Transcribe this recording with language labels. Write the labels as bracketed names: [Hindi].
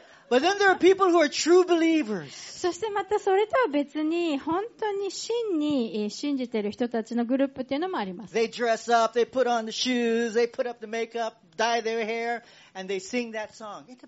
[English] But then there are people who are true believers. [Japanese] そしてまたそれとは別に本当に真に信じている人たちのグループっていうのもあります。 [English] They dress up, they put on the shoes, they put up the makeup, dye their hair, and they sing that song.